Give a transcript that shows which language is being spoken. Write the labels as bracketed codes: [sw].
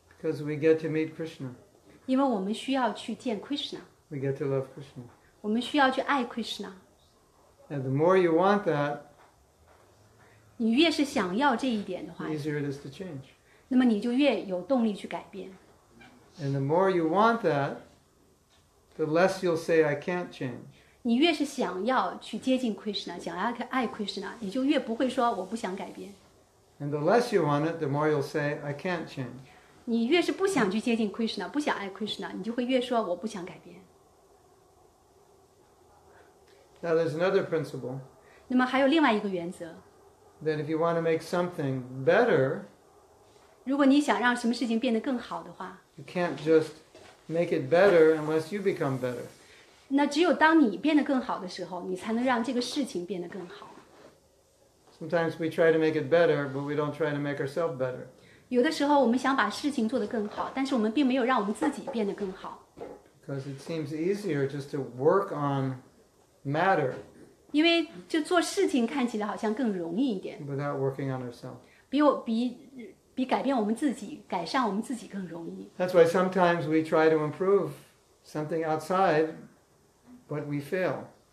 [en] Because we get to meet Krishna. [zh] 因为我们需要去见 Krishna. [en] We get to love Krishna. [zh] 我们需要去爱 Krishna. [en] And the more you want that, [zh] 你越是想要这一点的话, [en] the easier it is to change. [zh] 那么你就越有动力去改变。 [en] And the more you want that, the less you'll say, I can't change. [zh] 你越是想要去接近 Krishna, 想要爱 Krishna, 你就越不会说我不想改变。 [en] And the less you want it, the more you'll say, I can't change. [zh] 你越是不想去接近 Krishna, 不想爱 Krishna, 你就会越说我不想改变。 [en] Now there's another principle. [zh] 那么还有另外一个原则。 [en] That if you want to make something better, [zh] 如果你想让什么事情变得更好的话, [en] you can't just make it better unless you become better. [zh] 那只有当你变得更好的时候, 你才能让这个事情变得更好。 [en] Sometimes we try to make it better, but we don't try to make ourselves better. [zh] 有的时候我们想把事情做得更好, 但是我们并没有让我们自己变得更好。 [en] Because it seems easier just to work on matter. [zh] 因为就做事情看起来好像更容易一点。 [en] Without working on ourselves. [zh] 比改变我们自己, 改善我们自己更容易。 [en] That's why sometimes we try to improve something outside, but we fail.